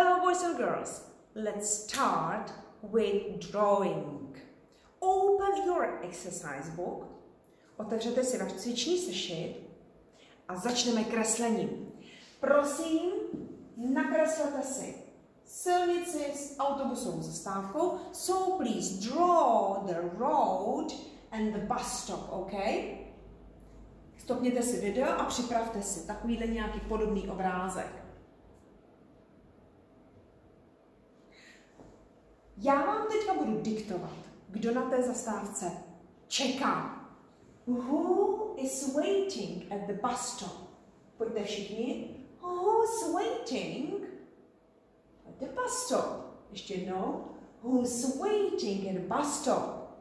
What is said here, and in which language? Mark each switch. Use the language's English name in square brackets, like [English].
[English] boys or girls, let's start with drawing. Open your exercise book, [Czech] otevřete si váš cvičný sešit a začneme kreslením. Prosím, nakreslete si silnici s autobusovou zastávkou. [English] So please draw the road and the bus stop, OK? [Czech] Stopněte si video a připravte si takovýhle nějaký podobný obrázek. Já vám teďka budu diktovat, kdo na té zastávce čeká. [English] Who is waiting at the bus stop? [Czech] Pojďte všichni. [English] Who's waiting at the bus stop? [Czech] Ještě jednou. [English] Who's waiting at the bus stop?